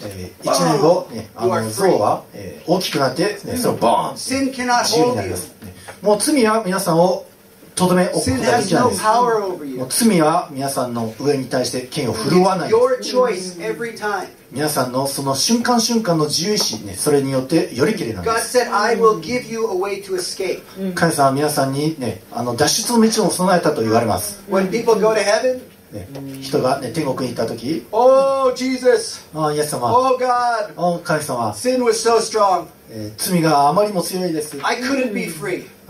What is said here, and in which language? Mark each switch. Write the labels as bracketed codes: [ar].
[ja] 1年後、象は、大きくなって、ね、そのボーン、 [en] Sin cannot hold you. [ja] 自由になります。もう罪は皆さんをとどめ置くことができないです。 [en] Sin has no power over you. [ja] もう罪は皆さんの上に対して権を振るわない。 [en] It's your choice every time. [ja] 皆さんのその瞬間瞬間の自由意志、ね、それによってよりきれいなんです。 [en] God said, I will give you a way to escape. [ja] 神様は皆さんに、ね、脱出の道を備えたと言われます。 [en] When people go to heaven,、 [ja] ね、人が、ね、天国に行った時、 [en] Oh, Jesus! [ja] あ、イエス様、 [en] Oh, God! [ja] 神様、 [en] Sin was so strong.、 [ja] 罪があまりも強いです。 [en] I couldn't be free.